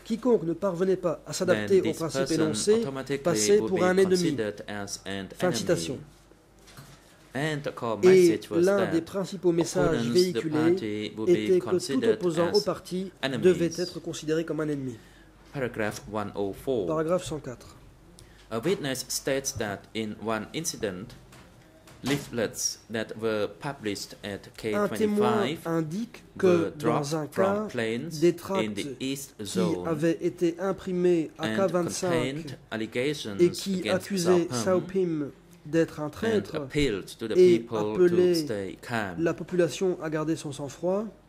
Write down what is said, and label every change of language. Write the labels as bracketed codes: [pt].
[fr] Quiconque ne parvenait pas à s'adapter aux principes énoncés passait pour un ennemi. Fin de citation. Et l'un des principaux messages véhiculés était que tout opposant au parti devait être considéré comme un ennemi. [en] Paragraph 104. [fr] Paragraphe 104. [en] A witness states that in one incident, Leaflets that were published at K25 [fr] un témoin indique que dans un cas, des tracts qui avaient été imprimés à K25 et qui accusaient Sao Pim d'être un traître [en] appealed to the [fr] et [en] people [fr] appelaient [en] to stay calm. [fr] La population à garder son sang-froid